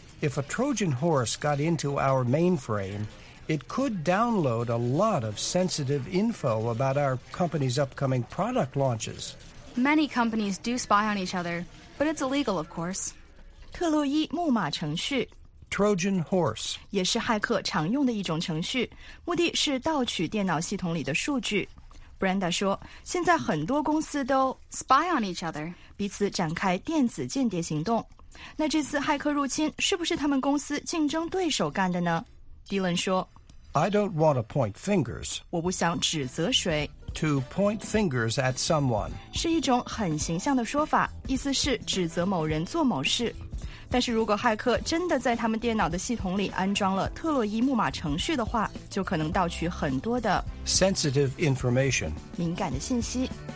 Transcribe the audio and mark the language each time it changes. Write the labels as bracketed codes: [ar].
[en] If a Trojan horse got into our mainframe, it could download a lot of sensitive info about our company's upcoming product launches. Many companies do spy on each other, but it's illegal, of course. [zh] 特洛伊木马程序 [en] Trojan horse [zh] 也是骇客常用的一种程序，目的是盗取电脑系统里的数据。 Brenda 说，现在很多公司都 [en] spy on each other, [zh] 彼此展开电子间谍行动。那这次骇客入侵是不是他们公司竞争对手干的呢？ Dylan 说， [en] I don't want to point fingers. [zh] 我不想指责谁。 [en] To point fingers at someone [zh] 是一种很形象的说法，意思是指责某人做某事。但是如果骇客真的在他们电脑的系统里安装了特洛伊木马程序的话，就可能盗取很多的 [en] sensitive information [zh] 敏感的信息。